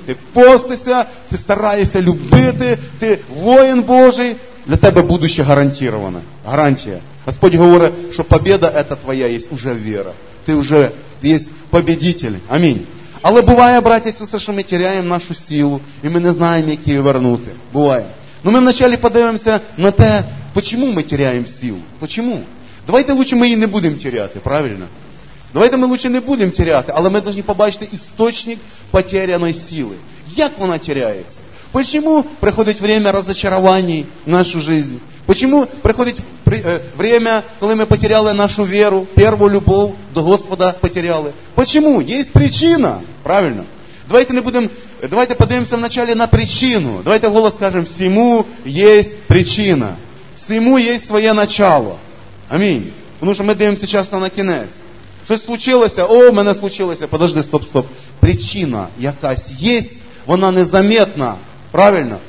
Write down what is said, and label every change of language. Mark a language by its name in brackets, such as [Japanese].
[Ukrainian] Ти постишся, ти стараєшся любити, ти воїн Божий, для тебе будуще гарантоване. Гарантія. Господь говорить, що побіда ця твоя є вже віра. Ти вже є побідитель, амінь. Але буває, браті, що ми теряємо нашу силу, і ми не знаємо, як її вернути. Буває. [Russian] Но мы вначале подивимся на то, почему мы теряем силу. Почему? Давайте лучше мы ее не будем терять, правильно? Давайте мы лучше не будем терять, але мы должны побачити источник потерянной силы. Як вона теряется? Почему приходит время разочарований в нашу жизнь? Почему приходит время, когда мы потеряли нашу веру, первую любовь до Господа потеряли? Почему? Есть причина, правильно? [Ukrainian] Давайте подивимося вначале на причину. Давайте в голос скажемо, всьому є причина. Всьому є своє начало. Амінь. Тому що ми дивимося часто на кінець. Щось случилося, о, в мене случилося. Подожди, стоп. Причина якась є, вона незаметна. Правильно?